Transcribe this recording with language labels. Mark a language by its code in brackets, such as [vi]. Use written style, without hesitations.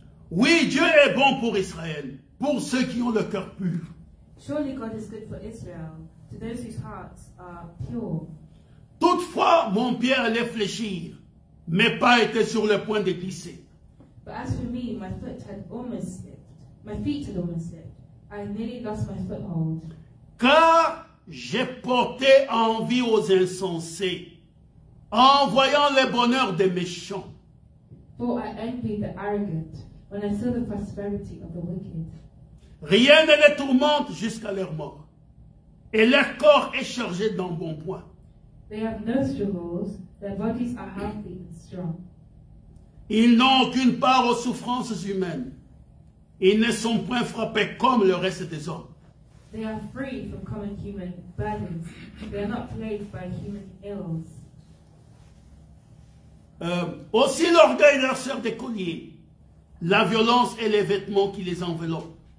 [fr] Oui, Dieu est bon pour Israël, pour ceux qui ont le cœur pur. [en] Surely God is good for Israel, to those whose hearts are pure. [fr] Toutefois, mon pied allait fléchir, mes pas étaient sur le point de glisser. [en] But as for me, my foot had almost slipped. My feet had almost slipped. I nearly lost my foothold. [fr] Car j'ai porté envie aux insensés en voyant le bonheur des méchants. [en] For I envy the arrogant when I saw the prosperity of the wicked. [fr] Rien ne les tourmente jusqu'à leur mort. Et leur corps est chargé d'embonpoint. [en] They have no struggles, their bodies are healthy and strong. [fr] Ils n'ont aucune part aux souffrances humaines. Ils ne sont point frappés comme le reste des hommes. [en] They are free from common human burdens. They are not plagued by human ills. [fr] Aussi l'orgueil leur sert des colliers, la violence est les vêtements qui les enveloppent.